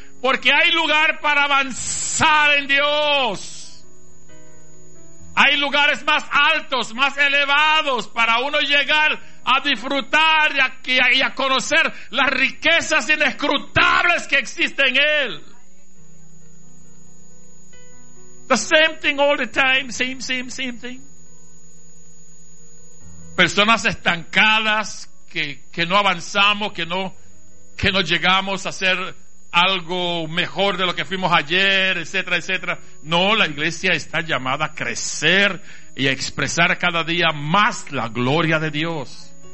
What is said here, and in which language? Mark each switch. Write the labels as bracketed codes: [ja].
[es] Porque hay lugar para avanzar en Dios. Hay lugares más altos, más elevados, para uno llegar a disfrutar y a conocer las riquezas inescrutables que existen en Él. [en] The same thing all the time, same thing. [es] Personas estancadas que no avanzamos, que no llegamos a ser algo mejor de lo que fuimos ayer, etcétera, etcétera. No, la iglesia está llamada a crecer y a expresar cada día más la gloria de Dios.